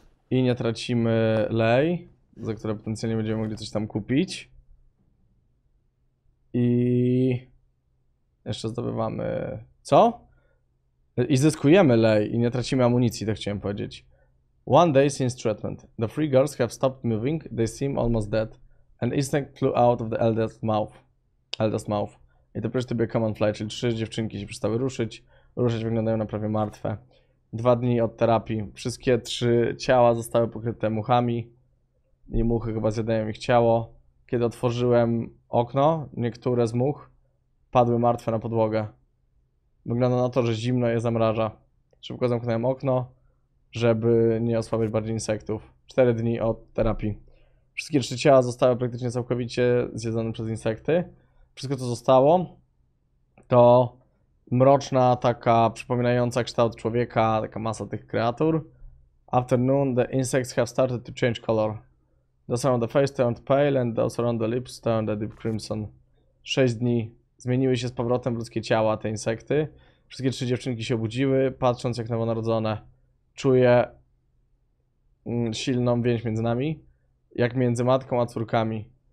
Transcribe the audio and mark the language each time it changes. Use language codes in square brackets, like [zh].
[pl] I nie tracimy lej, za które potencjalnie będziemy mogli coś tam kupić. I jeszcze zdobywamy co? I zyskujemy lej i nie tracimy amunicji, to chciałem powiedzieć. [en] One day since treatment, the three girls have stopped moving. They seem almost dead. An insect flew out of the eldest's mouth. It appears to be a common fly, [pl] czyli trzy dziewczynki się przestały ruszyć. Ruszać wyglądają na prawie martwe. Dwa dni od terapii. Wszystkie trzy ciała zostały pokryte muchami. I muchy chyba zjadają ich ciało. Kiedy otworzyłem okno, niektóre z much padły martwe na podłogę. Wygląda na to, że zimno je zamraża. Szybko zamknąłem okno, żeby nie osłabiać bardziej insektów. Cztery dni od terapii. Wszystkie trzy ciała zostały praktycznie całkowicie zjedzone przez insekty. Wszystko, co zostało, to mroczna, taka przypominająca kształt człowieka, taka masa tych kreatur. [en] Afternoon, the insects have started to change color. Those around the face turned pale and those around the lips turned a deep crimson. [pl] Sześć dni. Zmieniły się z powrotem ludzkie ciała, te insekty. Wszystkie trzy dziewczynki się obudziły, patrząc jak nowonarodzone. Czuję silną więź między nami, jak między matką a córkami.